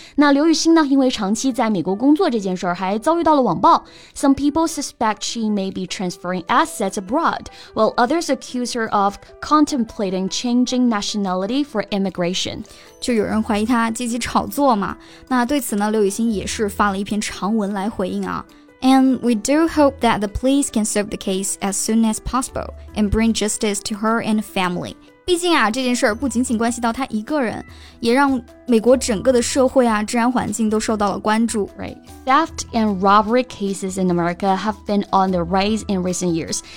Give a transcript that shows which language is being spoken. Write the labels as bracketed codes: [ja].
[zh] 那刘雨昕呢，因为长期在美国工作这件事儿，还遭遇到了网暴。 [en] Some people suspect she may be transferring assets abroad, while others accuse her of contemplating changing nationality for immigration. [zh] 就有人怀疑她积极炒作嘛。那对此呢，刘雨欣也是发了一篇长文来回应啊。 [en] And we do hope that the police can solve the case as soon as possible and bring justice to her and family. [zh] 毕竟啊，这件事儿不仅仅关系到他一个人，也让美国整个的社会啊，治安环境都受到了关注。 [en] Right. Theft and robbery cases in America have been on the rise in recent years.